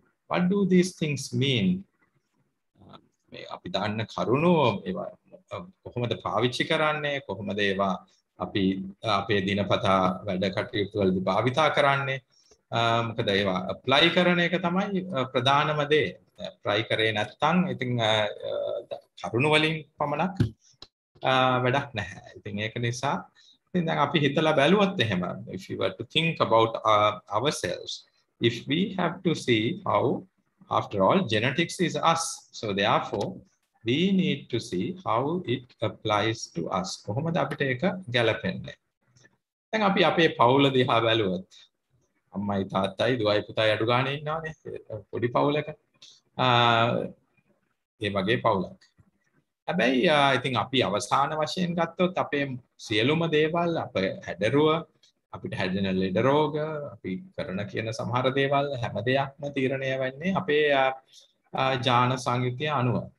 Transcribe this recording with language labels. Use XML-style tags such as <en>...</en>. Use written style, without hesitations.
<en>What do these things mean?</en> <si>අපි දාන්න කරුණු ඒවා කොහොමද පාවිච්චි කරන්නේ කොහොමද ඒවා අපි අපේ දිනපතා වැඩ කටයුතු වලදී භාවිත කරන්නේ මොකද ඒවා apply කරන එක තමයි ප්‍රධානම දේ try කරේ නැත්නම් ඉතින් කරුණු වලින් පමණක් වැඩක් නැහැ ඉතින් ඒක නිසා ඉතින් දැන් අපි හිතලා බැලුවත් එහෙම</si> <en>if you were to think about ourselves if we have to see how After all, genetics is us. So therefore, we need to see how it applies to us.</en> <si>කොහොමද අපිට ඒක ගැලපෙන්නේ? දැන් අපි අපේ පවුල දිහා බැලුවොත් අම්මයි තාත්තයි දුවයි පුතයි අඩු ගානේ ඉන්නවානේ පොඩි පවුලක. ඒ වගේ පවුලක්. හැබැයි</si> <en>I think</en> <si>අපි අවසාන වශයෙන් ගත්තොත් අපේ සියලුම දේවල් අපේ හැඩරුව අපිට හැදෙන ලෙඩ රෝග අපි කරන කියන සමහර දේවල් හැම දෙයක්ම තීරණය වෙන්නේ අපේ ජාන සංගීතය අනුව.</si>